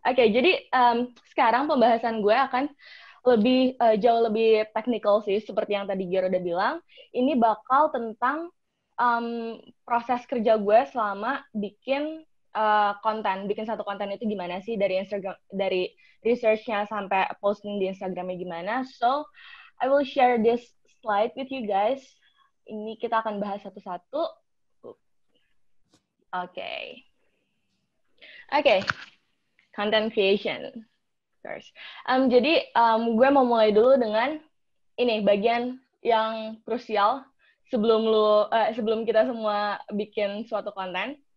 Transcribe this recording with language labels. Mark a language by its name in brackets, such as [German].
[Indonesian] Oke, okay, jadi sekarang pembahasan gue akan lebih jauh lebih technical sih, seperti yang tadi Giro udah bilang, ini bakal tentang proses kerja gue selama bikin konten, bikin satu konten itu gimana sih dari Instagram, dari research-nya sampai posting di Instagram-nya gimana. [English] So, I will share this slide with you guys. [Indonesian] Ini kita akan bahas satu-satu. [English] Okay. Okay. Content creation first. [Indonesian] Jadi, gue mau mulai dulu dengan ini, bagian yang krusial sebelum lu sebelum kita semua bikin suatu konten.